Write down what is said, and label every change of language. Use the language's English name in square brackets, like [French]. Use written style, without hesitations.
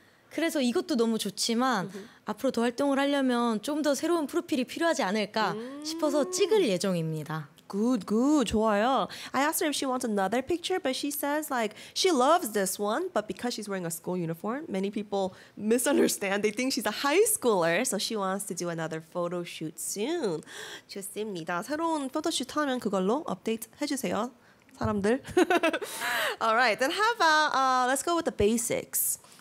[Korean] 그래서 이것도 너무 좋지만 앞으로 더 활동을 하려면 좀 더 새로운 프로필이 필요하지 않을까 싶어서 찍을 예정입니다. [English] Good, good. [Korean] 좋아요. [English] I asked her if she wants another picture, but she says like she loves this one, but because she's wearing a school uniform, many people misunderstand. They think she's a high schooler, so she wants to do another photo shoot soon. [Korean] 좋습니다. 새로운 포토샵 하면 그걸로 업데이트 해주세요, 사람들. [English] All right, then how about, let's go with the basics.